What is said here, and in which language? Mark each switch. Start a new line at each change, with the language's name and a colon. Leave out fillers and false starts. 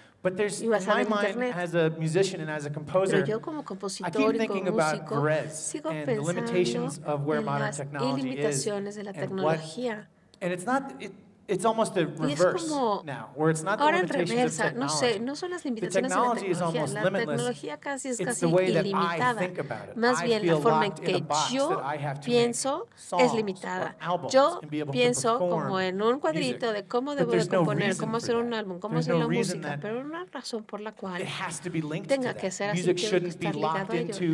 English: But there's my mind as a musician and as a composer.
Spanish: Pero yo como compositor y como músico sigo pensando en las limitaciones de la tecnología.
English: It's almost a reverse now, where it's not the limitations of technology.
Spanish: No sé, no son las limitaciones de la tecnología. La tecnología casi es casi ilimitada. Más bien, la forma en que yo pienso es limitada. Yo pienso como en un cuadrito de cómo debo de componer, cómo hacer un álbum, cómo hacer la música, pero una razón por la cual tenga que ser así, tiene que estar ligado a ello.